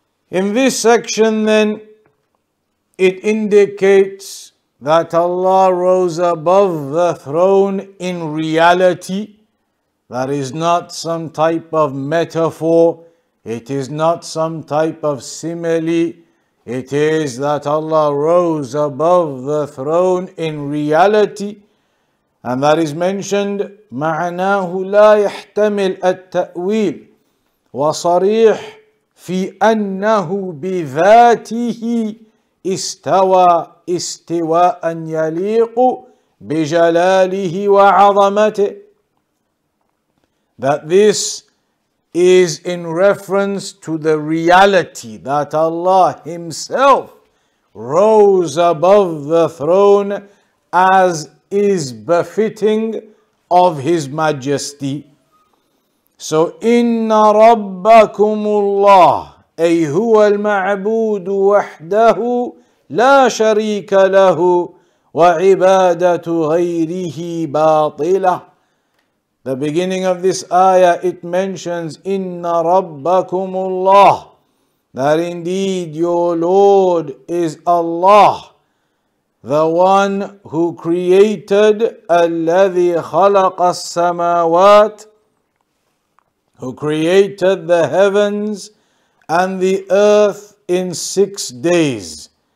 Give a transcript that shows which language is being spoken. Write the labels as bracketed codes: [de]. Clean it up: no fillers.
[en] In this section then, it indicates that Allah rose above the throne in reality. That is not some type of metaphor. It is not some type of simile. It is that Allah rose above the throne in reality. And that is mentioned, [ar] مَعْنَاهُ لَا يَحْتَمِلَ التَّأْوِيلِ وَصَرِيحْ فِي أَنَّهُ بِذَاتِهِ إِسْتَوَى إِسْتِوَاءً يَلِيقُ بِجَلَالِهِ وَعَظَمَتِهِ. [en] That this is in reference to the reality that Allah Himself rose above the throne as is befitting of His majesty. [ar] So, إِنَّ رَبَّكُمُ اللَّهُ أَيْ هُوَ الْمَعْبُودُ وَحْدَهُ لا شريك له وعبادة غيره باطلة. [en] The beginning of this ayah, it mentions [ar] إن ربكم الله, [en] that indeed your Lord is Allah, the one who created, [ar] الذي خلق السماوات, [en] who created the heavens and the earth in 6 days.